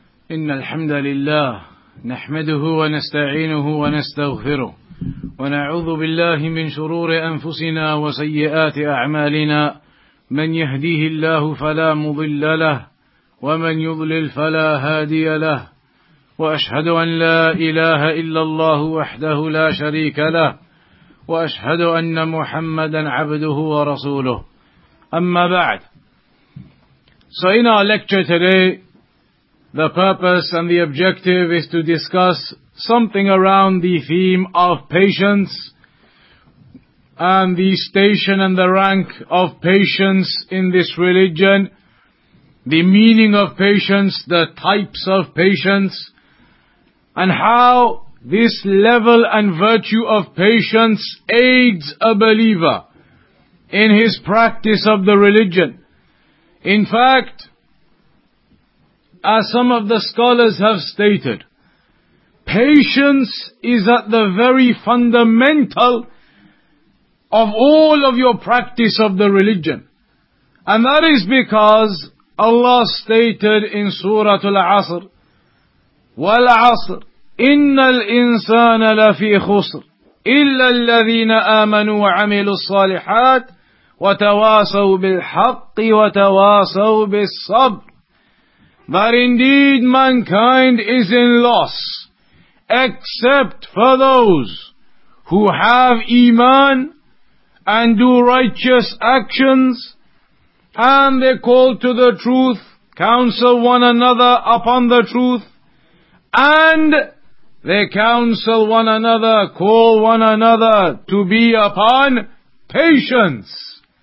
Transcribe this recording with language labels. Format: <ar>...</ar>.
<ar>إن الحمد لله نحمده ونستعينه ونستغفره ونعوذ بالله من شرور أنفسنا وسيئات أعمالنا، من يهديه الله فلا مضل له ومن يضلل فلا هادي له، وأشهد أن لا إله إلا الله وحده لا شريك له، وأشهد أن محمدا عبده ورسوله. أما بعد،</ar> <en>so in our lecture today the purpose and the objective is to discuss something around the theme of patience and the station and the rank of patience in this religion, the meaning of patience, the types of patience, and how this level and virtue of patience aids a believer in his practice of the religion. In fact, as some of the scholars have stated, patience is at the very fundamental of all of your practice of the religion. And that is because Allah stated in Surah Al-Asr,</en> <ar>وَالْعَصْرِ إِنَّ الْإِنسَانَ لَفِي خُسْرٍ إِلَّا الَّذِينَ آمَنُوا وَعَمِلُوا الصَّالِحَاتِ وَتَوَاسَوْا بِالْحَقِّ وَتَوَاسَوْا بِالصَّبْرِ.</ar> <en>That indeed mankind is in loss, except for those who have iman and do righteous actions, and they call to the truth, counsel one another upon the truth, and they counsel one another, call one another to be upon patience.</en>